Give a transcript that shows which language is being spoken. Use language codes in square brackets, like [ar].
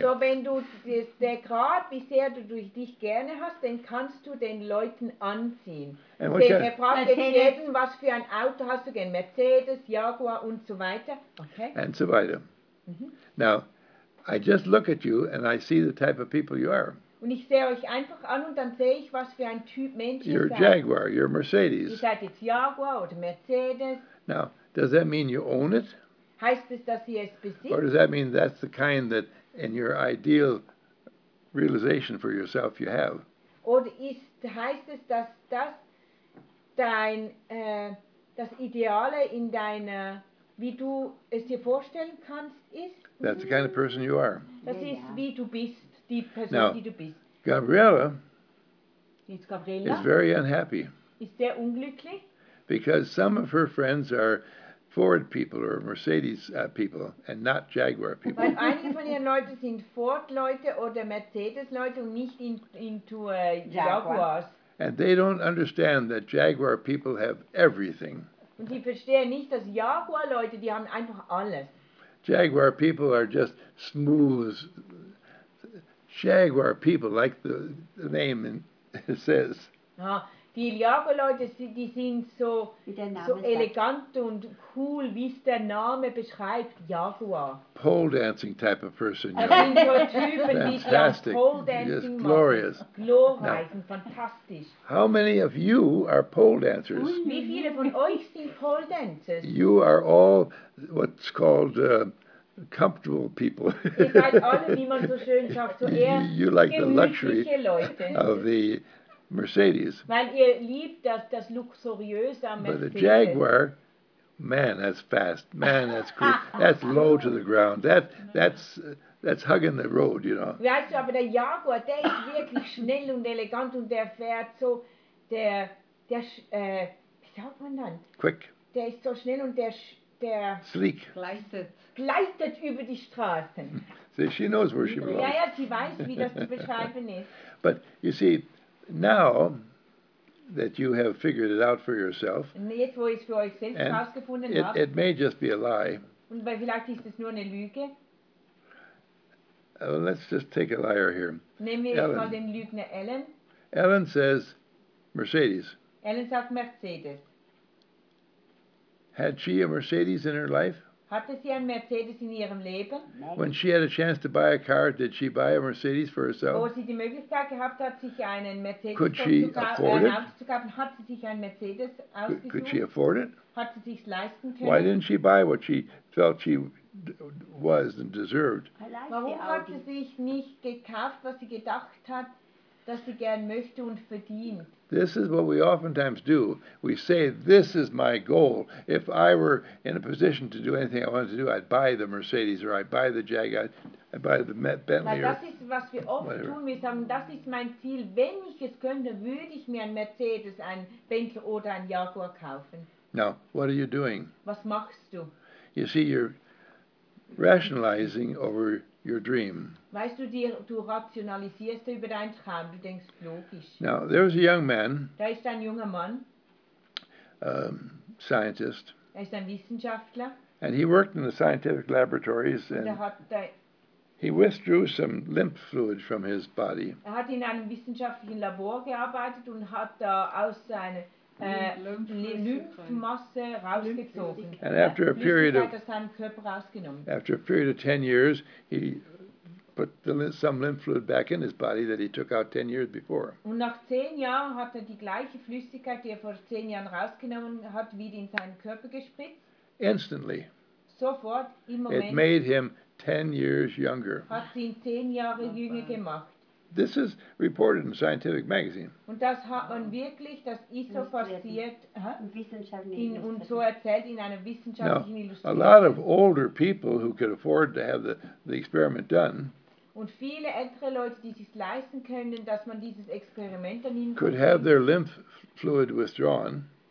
[de] So wenn du der Grad, wie sehr du dich gerne hast, dann kannst du den Leuten anziehen. Er fragt jetzt jeden, was für ein Auto hast du gern? Mercedes, Jaguar und so weiter. [en] Okay. And [de] so weiter. [en] Mm-hmm. Now, I just look at you and I see the type of people you are. [de] Und ich sehe euch einfach an und dann sehe ich, was für ein Typ Mensch ihr seid. [en] You're Jaguar, you're Mercedes. [de] Ihr seid jetzt Jaguar oder Mercedes. [en] Now, does that mean you own it? [de] Heißt es, dass ihr es besitzt? [en] Or does that mean that's the kind that in your ideal realization for yourself you have? [de] Oder heißt es, dass das das Ideale in deiner, wie du es dir vorstellen kannst, ist? [en] That's the kind of person you are. [de] Das ist, wie du bist. [en] Now, Gabriella, [de] jetzt Gabriella [en] is very unhappy. [de] Ist sehr unglücklich. [en] Because some of her friends are Ford people or Mercedes people and not Jaguar people. [de] Weil einige von ihren Leuten sind Ford-Leute oder Mercedes-Leute und nicht [en] into Jaguars. And they don't understand that Jaguar people have everything. [de] Und sie verstehen nicht, dass Jaguar-Leute, die haben einfach alles. [en] Jaguar people are just smooth. Jaguar people, like the name says. [de] Ah, die Jaguar-Leute, die sind so elegant und cool, wie es der Name beschreibt, Jaguar. [en] Pole dancing type of person. [de] Ja. [en] Fantastic. Just glorious. [de] Glorreich und fantastisch. [en] How many of you are pole dancers? [de] Wie viele von euch sind pole dancers? [en] You are all what's called comfortable people. you like the luxury of the Mercedes. But the Jaguar, man, that's fast. Man, that's cool. That's low to the ground. That's hugging the road, you know. [de] Weißt du, aber der Jaguar, der ist wirklich schnell und elegant und der fährt so, wie sagt man dann? [en] Quick. [de] Der ist so schnell und der [en] sleek. [de] Gleitet über die Straßen. [en] See, she knows where she belongs. [de] Ja, sie weiß, wie das zu beschreiben ist. [en] But you see, now that you have figured it out for yourself, [de] jetzt, wo ich's für euch selbst herausgefunden habe, [en] it may just be a lie. [de] Und weil vielleicht ist es nur eine Lüge. [en] Let's just take a liar here. [de] Nehmen wir jetzt mal den Lügner Ellen. [en] Ellen says Mercedes. [de] Ellen sagt Mercedes. [en] Had she a Mercedes in her life? [de] Hatte sie ein Mercedes in ihrem Leben? [en] When she had a chance to buy a car, did she buy a Mercedes for herself? [de] Wo sie die Möglichkeit gehabt hat, sich einen Mercedes [en] could she afford it? [de] Hat sie sich ein Mercedes ausgesucht? [en] Could she afford it? [de] Hat sie sich's leisten können? [en] Why didn't she buy what she felt she was and deserved? [de] Warum hat sie sich nicht gekauft, was sie gedacht hat, dass sie gern möchte und verdient? [en] This is what we oftentimes do. We say, this is my goal. If I were in a position to do anything I wanted to do, I'd buy the Mercedes, or I'd buy the Jaguar, I'd buy the Bentley, [de] or das ist, was wir oft [en] whatever. [de] Tun. Wir sagen, das ist mein Ziel. Wenn ich es könnte, würde ich mir ein Mercedes, ein Bentley oder ein Jaguar kaufen. [en] Now, what are you doing? [de] Was machst du? [en] You see, you're rationalizing over your dream. [de] Weißt du, du rationalisierst über deinen Traum, du denkst logisch. [en] Now, there was a young man. [de] Da ist ein junger Mann. [en] scientist. [de] Er ist ein Wissenschaftler. [en] And he worked in the scientific laboratories and he withdrew some lymph fluid from his body. [de] Er hat in einem wissenschaftlichen Labor gearbeitet und hat da aus seiner Lymphmasse rausgezogen. [en] And after a period of 10 years, he put some lymph fluid back in his body that he took out 10 years before. [de] Und nach 10 Jahren hat er die gleiche Flüssigkeit, die er vor 10 Jahren rausgenommen hat, wieder in seinen Körper gespritzt. [en] Instantly. [de] Sofort, im Moment. [en] It made him 10 years younger. [de] Hat ihn 10 Jahre jünger gemacht. [en] This is reported in Scientific Magazine. [de] Und das hat man wirklich, das ist so passiert, und so erzählt in einer wissenschaftlichen Illustration. [en] A lot of older people who could afford to have the experiment done. [de] Und viele ältere Leute, die sich leisten können, dass man dieses Experiment an ihnen. [en] Could have their lymph fluid withdrawn.